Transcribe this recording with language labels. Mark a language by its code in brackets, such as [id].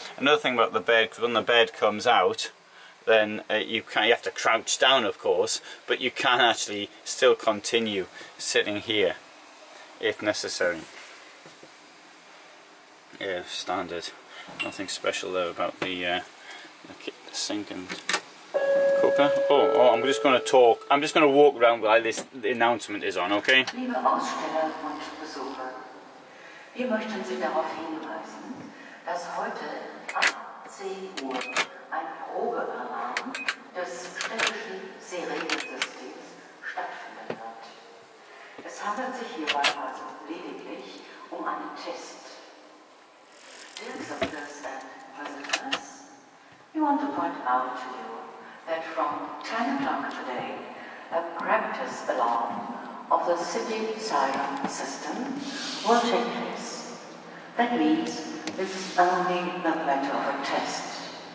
[en] Another thing about the bed, because when the bed comes out, then you have to crouch down, of course, but you can actually still continue sitting here if necessary. Yeah, standard. Nothing special though about the sink and cooker. Oh, I'm just going to talk. I'm just going to walk around while this announcement is on, okay? [de] Liebe Aussteller und Besucher, wir möchten Sie darauf hinweisen, dass heute ab 10 Uhr ein Probealarm des städtischen Sirenensystems stattfinden wird. Es handelt sich hierbei also lediglich um einen Test. [en] Dirks of the Prisoners, we want to point out to you that from 10 o'clock today, a practice alarm of the city siren system will take place. That means this is only a matter of a test.